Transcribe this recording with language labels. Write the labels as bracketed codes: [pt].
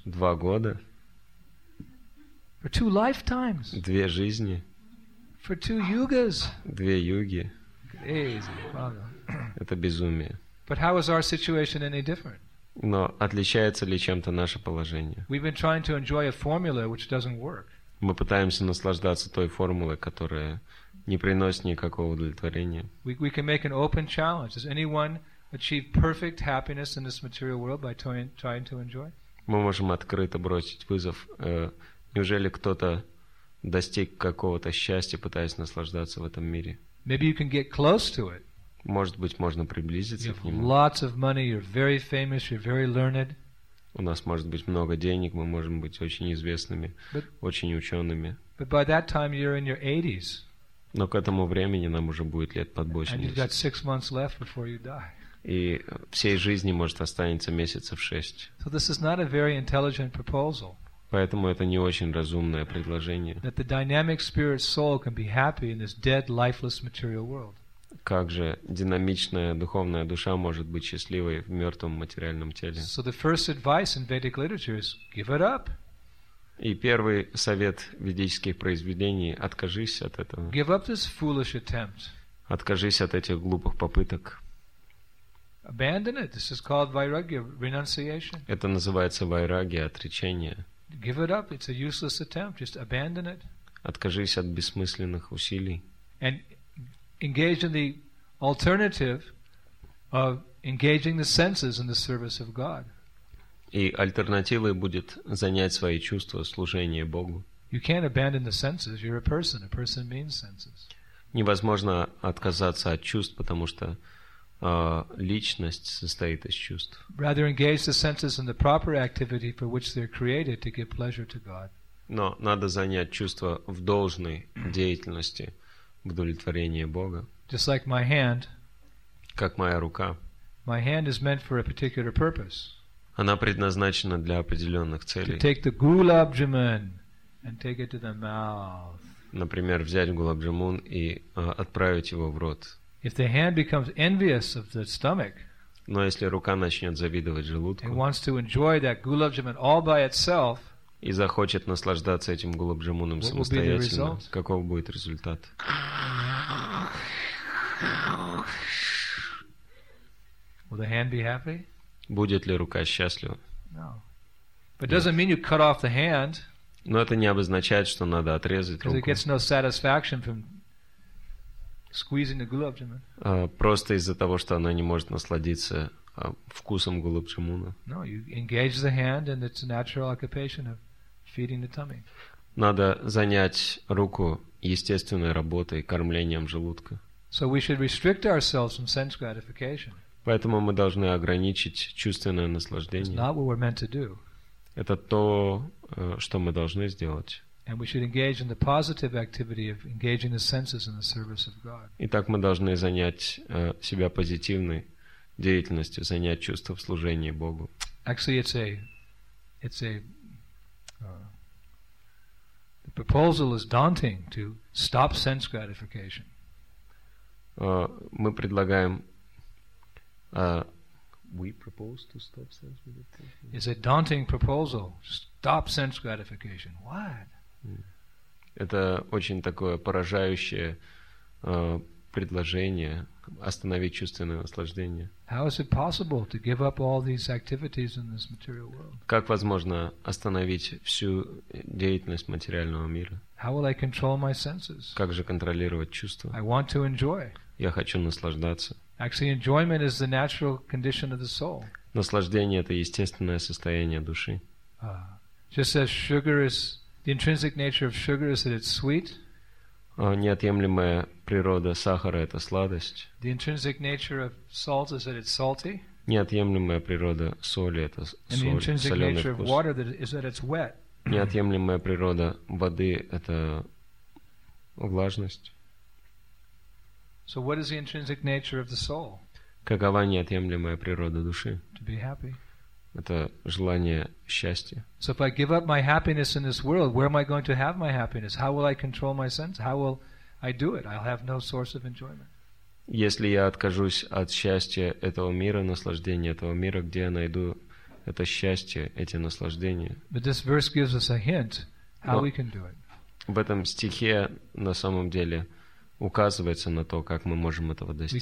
[ru] 2 года. [en] For 2 lifetimes. [ru] 2 жизни. [en] For 2 yugas. [ru] 2 юги. [en] Crazy. [ru] Это безумие. [en] But how is our situation any different? [ru] Но отличается ли чем-то наше положение? [en] We've been trying to enjoy a formula which doesn't work. [ru] Мы пытаемся наслаждаться той формулой, которая не приносит никакого удовлетворения. [en] We can make an open challenge. Does anyone achieve perfect happiness in this material world by trying to enjoy? [ru] Мы можем открыто бросить вызов. Неужели кто-то достиг какого-то счастья, пытаясь наслаждаться в этом мире? [en] Maybe you can get close to it. [ru] Может быть, можно приблизиться к нему. [en] Lots of money, you're very famous, you're very learned. [ru] У нас может быть много денег, мы можем быть очень известными, очень учеными. [en] But by that time you're in your 80s. [ru] Но к этому времени нам уже будет лет под 80. [en] And you've got 6 months left before you die. [ru] И всей жизни может останется месяцев 6. [en] So this is not a very intelligent proposal. [ru] Поэтому это не очень разумное предложение. [en] That the dynamic spirit soul can be happy in this dead, lifeless material world. [ru] Как же динамичная духовная душа может быть счастливой в мертвом материальном теле? [en] So the first advice in Vedic literature is give it up. [ru] И первый совет ведических произведений – откажись от этого. [en] Give up this foolish attempt. [ru] Откажись от этих глупых попыток. [en] Abandon it. This is called vairagya, renunciation. [ru] Это называется вайрагья, отречение. [en] Give it up. It's a useless attempt. Just abandon it. [ru] Откажись от бессмысленных усилий. [en] And engage in the alternative of engaging the senses in the service of God. [ru] И альтернативой будет занять свои чувства служение Богу. [en] You can't abandon the senses. You're a person. A person means senses. [ru] Невозможно отказаться от чувств, потому что личность состоит из чувств. [en] Rather engage the senses in the proper activity for which they're created to give pleasure to God. [ru] Но надо занять чувства в должной деятельности, в удовлетворении Бога. [en] Just like my hand. [ru] Как моя рука. [en] My hand is meant for a particular purpose. [ru] Она предназначена для определенных целей. [en] To take the gulabjamun and take it to the mouth. [ru] Например, взять гулабджамун и отправить его в рот. [en] If the hand becomes envious of the stomach, [ru] но если рука начнет завидовать желудку, [en] and wants to enjoy that gulabjamun all by itself, [ru] и захочет наслаждаться этим гулабджамуном самостоятельно, каков будет результат? [en] Will the hand be happy? [ru] Будет ли рука счастлива? [en] No. But it doesn't mean you cut off the hand. [ru] Но это не обозначает, что надо отрезать руку. [en] It gets no satisfaction from squeezing the gulabjamun. [ru] Просто из-за того, что она не может насладиться вкусом гулабджамуна. [en] No, you engage the hand and it's a natural occupation of feeding the tummy. [ru] Надо занять руку естественной работой, кормлением желудка. [en] So we should restrict ourselves from sense gratification. [ru] Поэтому мы должны ограничить чувственное наслаждение. [en] It's not what we're meant to do. [ru] Это то, что мы должны сделать. [en] And we should engage in the positive activity of engaging the senses in the service of God. [ru] Итак, мы должны занять себя позитивной деятельностью, занять чувство в служении Богу. [en] Actually, it's a the proposal is daunting to stop sense gratification. [ru] Мы предлагаем [en] We propose to stop sense gratification. It's a daunting proposal. Stop sense gratification. What? [ru] Это очень такое поражающее предложение остановить чувственное наслаждение. [en] How is it possible to give up all these activities in this material world? [ru] Как возможно остановить всю деятельность материального мира? [en] How will I control my senses? [ru] Как же контролировать чувства? [en] I want to enjoy. [ru] Я хочу наслаждаться. [en] Actually, enjoyment is the natural condition of the soul. [ru] Наслаждение это естественное состояние души. [en] Just as sugar is the intrinsic nature of sugar is that it's sweet. [ru] Неотъемлемая природа сахара это сладость. [en] The intrinsic nature of salt is that it's salty. [ru] Неотъемлемая природа соли это соленый вкус. [en] And the intrinsic nature of water is that it's wet. [ru] Неотъемлемая природа воды это влажность. [en] So what is the intrinsic nature of the soul? [ru] Какова неотъемлемая природа души? [en] To be happy. [ru] Это желание счастья. [en] So if I give up my happiness in this world, where am I going to have my happiness? How will I control my sense? How will I do it? I'll have no source of enjoyment. [ru] Если я откажусь от счастья этого мира, наслаждения этого мира, где я найду это счастье, эти наслаждения? [en] But this verse gives us a hint how we can do it. [ru] В этом стихе на самом деле указывается на то, как мы можем этого достичь.